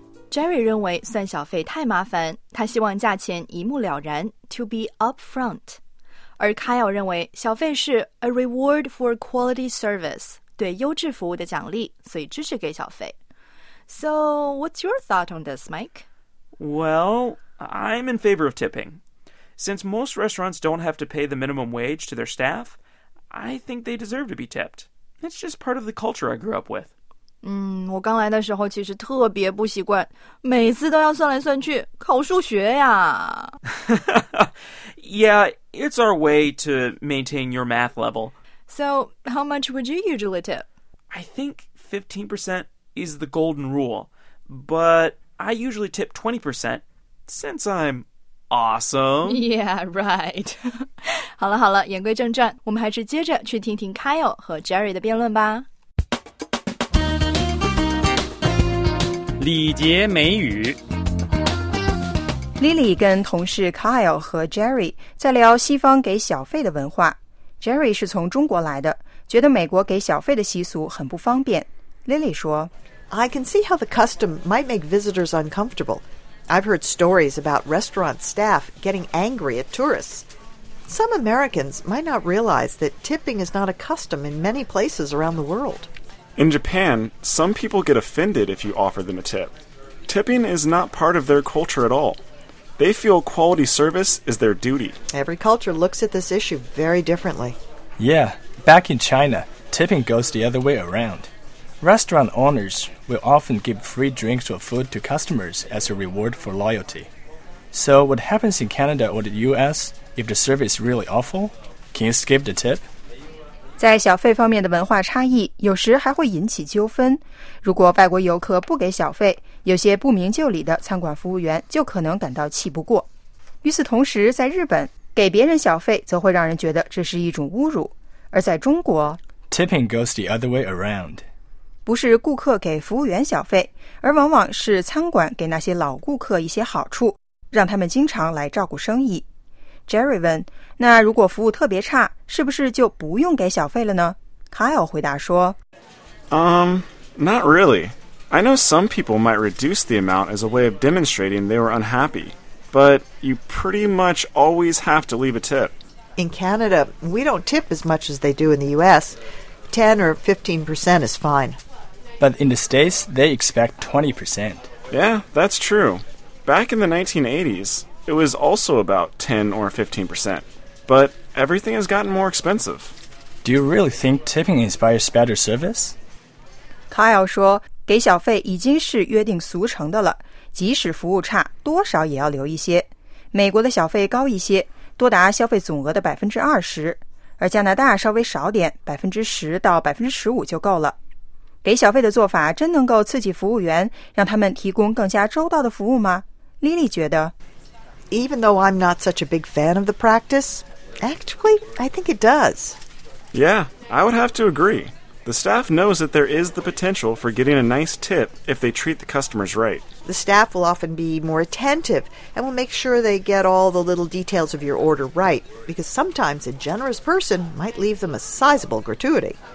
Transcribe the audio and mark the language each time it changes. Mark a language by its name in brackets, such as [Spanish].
[Chinese] Jerry 认为算小费太麻烦，他希望价钱一目了然 ， [English] to be upfront。 [Chinese] 而 Kyle 认为小费是 [English] a reward for quality service， [Chinese] 对优质服务的奖励，所以支持给小费。 [English] So what's your thought on this, Mike? Well, I'm in favor of tipping. Since most restaurants don't have to pay the minimum wage to their staff, I think they deserve to be tipped. It's just part of the culture I grew up with. [Chinese] 我刚来的时候其实特别不习惯，每次都要算来算去，考数学呀。 [English] Yeah, it's our way to maintain your math level. So, how much would you usually tip? I think 15% is the golden rule, but I usually tip 20% since I'm awesome. Yeah, right. [Chinese] 好了好了，言归正传，我们还是接着去听听 Kyle 和 Jerry 的辩论吧。礼节美语。 Lily 跟同事 Kyle 和 Jerry 在聊西方给小费的文化。 Jerry 是从中国来的，觉得美国给小费的习俗很不方便。 Lily 说 [English] ：“I can see how the custom might make visitors uncomfortable. I've heard stories about restaurant staff getting angry at tourists. Some Americans might not realize that tipping is not a custom in many places around the world.” In Japan, some people get offended if you offer them a tip. Tipping is not part of their culture at all. They feel quality service is their duty. Every culture looks at this issue very differently. Yeah, back in China, tipping goes the other way around. Restaurant owners will often give free drinks or food to customers as a reward for loyalty. So what happens in Canada or the US if the service is really awful? Can you skip the tip? [Chinese] 在小费方面的文化差异有时还会引起纠纷。如果外国游客不给小费，有些不明就里的餐馆服务员就可能感到气不过。与此同时，在日本，给别人小费则会让人觉得这是一种侮辱。而在中国， [English] Tipping goes the other way around. [Chinese] 不是顾客给服务员小费，而往往是餐馆给那些老顾客一些好处，让他们经常来照顾生意。 Jerry 问，那如果服务特别差，是不是就不用给小费了呢？ Kyle 回答说 [English] not really. I know some people might reduce the amount as a way of demonstrating they were unhappy, but you pretty much always have to leave a tip. In Canada, we don't tip as much as they do in the US. 10 or 15% is fine. But in the States, they expect 20%. Yeah, that's true. Back in the 1980s,It was also about 10 or 15%, but everything has gotten more expensive. Do you really think tipping inspires better service? [Chinese] Kyle 说，给小费已经是约定俗成的了，即使服务差，多少也要留一些。美国的小费高一些，多达消费总额的 20%, 而加拿大稍微少点 ,10% 到 15% 就够了。给小费的做法真能够刺激服务员，让他们提供更加周到的服务吗？ Lily 觉得 [English] Even though I'm not such a big fan of the practice, actually, I think it does. Yeah, I would have to agree. The staff knows that there is the potential for getting a nice tip if they treat the customers right. The staff will often be more attentive and will make sure they get all the little details of your order right, because sometimes a generous person might leave them a sizable gratuity.